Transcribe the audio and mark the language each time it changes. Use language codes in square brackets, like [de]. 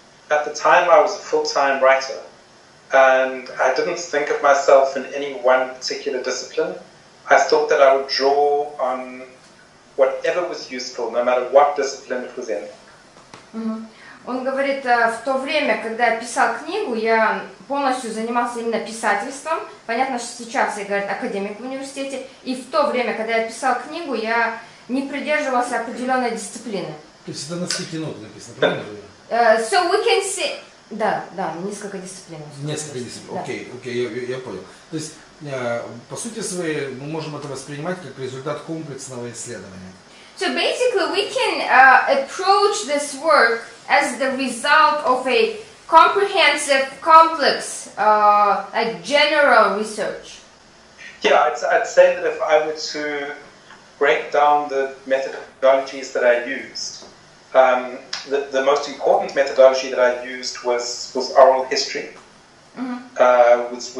[en] At the time I was a full-time writer and I didn't think of myself in any one particular discipline. I thought that I would draw on whatever was useful, no matter what discipline it was in. Mm-hmm. [ru] Он говорит, в то время, когда я писал книгу, я полностью занимался именно писательством. Понятно, что сейчас я, говорит, академик в университете. И в то время, когда я писал книгу, я не придерживался определенной дисциплины. То есть это на стыке ног написано, правильно? [en] So we can see... [ru] Да, да, несколько дисциплин. Несколько дисциплин, окей, окей, я понял. То есть, по сути своей, мы можем это воспринимать как результат комплексного исследования. [en] So basically we can approach this work as the result of a comprehensive, complex, like general research. Yeah, I'd say that if I were to break down the methodologies that I used, the most important methodology that I used was oral history, mm-hmm.